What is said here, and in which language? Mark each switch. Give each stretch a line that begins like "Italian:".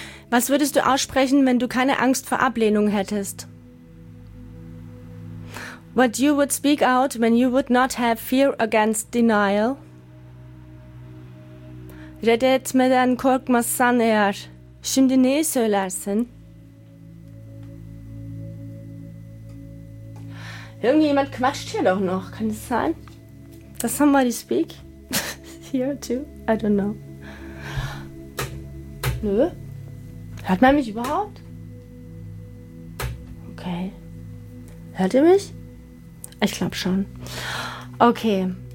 German: Was würdest du aussprechen, wenn du keine Angst vor Ablehnung hättest?
English: What you would speak out when you would not have fear against denial?
Turkish: Reddetmeden korkmazsan eğer, şimdi neyi söylersin?
German: Irgendjemand quatscht hier doch noch, kann das sein?
English: Does somebody speak? Here too? I don't know.
German: Nö? Hört man mich überhaupt? Okay. Hört ihr mich? Ich glaube schon. Okay.